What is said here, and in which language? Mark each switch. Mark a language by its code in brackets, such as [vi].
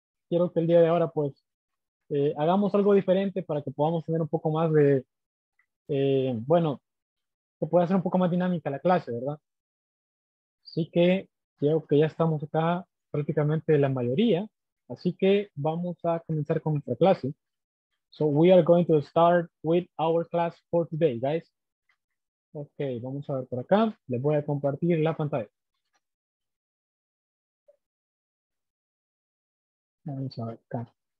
[es] Quiero que el día de ahora pues hagamos algo diferente para que podamos tener un poco más de que pueda ser un poco más dinámica la clase, ¿verdad? Así que creo que ya estamos acá prácticamente la mayoría, así que vamos a comenzar con nuestra clase. [en] So we are going to start with our class for today, guys. [es] Okay, vamos a ver por acá, les voy a compartir la pantalla. Vamos a ver acá.